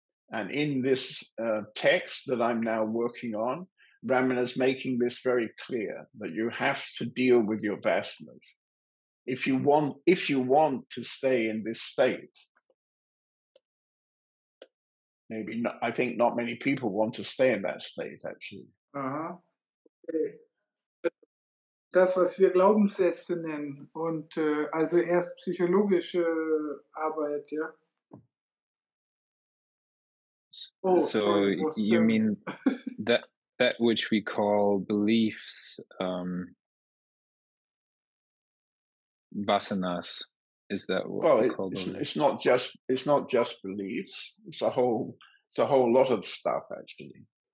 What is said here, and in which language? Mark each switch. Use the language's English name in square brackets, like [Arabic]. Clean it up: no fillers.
[English] And in this text that I'm now working on, Ramana's making this very clear that you have to deal with your vasanas if you want to stay in this state. Maybe not, I think not many people want to stay in that state, actually. Uh-huh. Okay. [German] Das, was wir Glaubenssätze nennen, und also erst psychologische Arbeit, ja. [English] So you mean that which we call beliefs, vasanas, is that what we call them? It's not just beliefs. It's a whole lot of stuff actually.